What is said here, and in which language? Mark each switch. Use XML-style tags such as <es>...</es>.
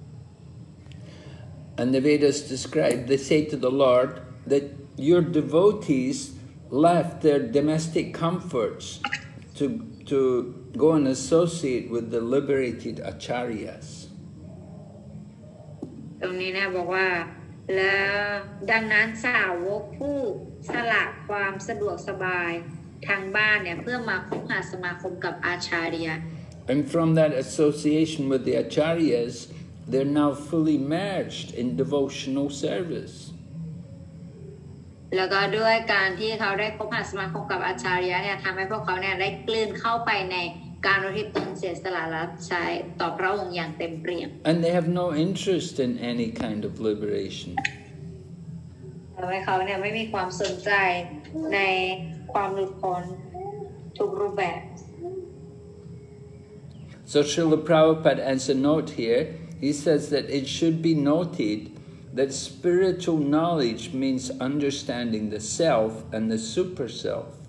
<en>And the Vedas describe they say to the Lord that your devotees left their domestic comforts to go and associate with the liberated acharyas</en> <th>ตรงนี้นะบอกว่าแล้วดังนั้นสาวกผู้สละความสะดวกสบายทางบ้านเนี่ยเพื่อมาคบหาสมาคมกับอาชาริยะ</th> <en>And from that association with the acharyas they're now fully merged in devotional service</en> <th>แล้วก็ด้วยการที่เขาได้คบหาสมาคมกับอาชาริยะเนี่ยทำให้พวกเขาเนี่ยได้กลืนเข้าไปในการอุทิศตนเสียสละรับใช้ต่อพระองค์อย่างเต็มเปี่ยม</th> <en>And they have no interest in any kind of liberation</en> <th>ทำให้เขาเนี่ยไม่มีความสนใจในความหลุดพ้นทุกรูปแบบ</th> <en>So Srila Prabhupada adds a note here. He says that it should be noted that spiritual knowledge means understanding the self and the super self.</en>